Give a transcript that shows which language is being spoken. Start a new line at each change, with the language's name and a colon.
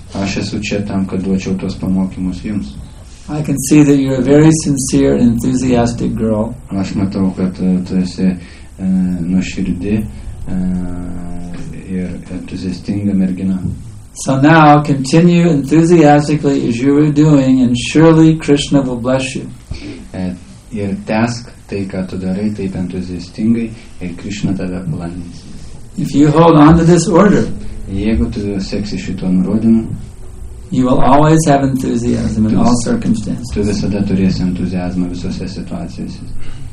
Lithuanian: Aš esu čia tam, kad duočiau tuos pamokymus jums.
English: I can see that you're a very sincere and enthusiastic girl.
Lithuanian: Aš matau, kad tu esi nuoširdi ir entuziastinga mergina.
English: So now continue enthusiastically as you are doing and surely Krishna will bless you.
Lithuanian: Ir tęsk tai, ką tu darai, taip entuziastingai ir Krishna tave palaimins.
English: If you hold on to this order,
Lithuanian: jeigu tu seksi šito nurodymu,
English: you will always have enthusiasm in all circumstances.
Lithuanian: Tu visada turėsi entuziazmą visose situacijose.